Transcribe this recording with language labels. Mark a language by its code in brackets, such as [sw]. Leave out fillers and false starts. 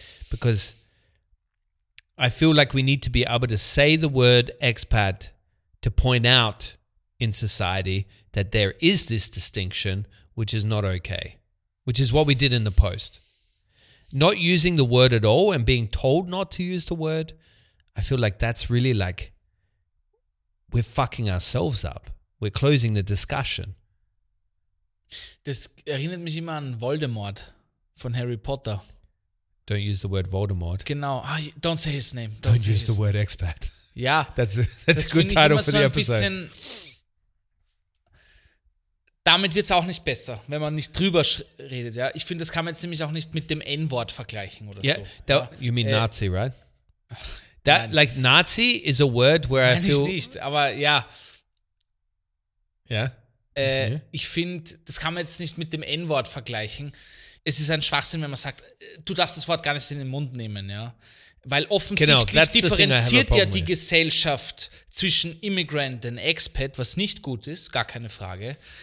[en] Because I feel like we need to be able to say the word expat to point out in society that there is this distinction, which is not okay, which is what we did in the post. Not using the word at all and being told not to use the word, I feel like that's really like we're fucking ourselves up. We're closing the discussion. [de] Das erinnert mich immer an Voldemort von Harry Potter. [en] Don't use the word Voldemort. Genau. Ah, don't say his name. Don't use the word expat. [de] Ja. [en] That's a good title for the episode. [de] Damit wird es auch nicht besser, wenn man nicht drüber redet. Ja? Ich finde, das kann man jetzt nämlich auch nicht mit dem N-Wort vergleichen oder [en] yeah, so. That, ja? You mean Nazi, right? That, like Nazi is a word where [de] nein, [en] I feel... [de] Nein, nicht, aber ja. Ja? [en] Yeah. [de] Ich finde, das kann man jetzt nicht mit dem N-Wort vergleichen. Es ist ein Schwachsinn, wenn man sagt, du darfst das Wort gar nicht in den Mund nehmen, ja. Weil offensichtlich genau, differenziert ja die [en] with. [de] Gesellschaft zwischen Immigrant und Expat, was nicht gut ist, gar keine Frage.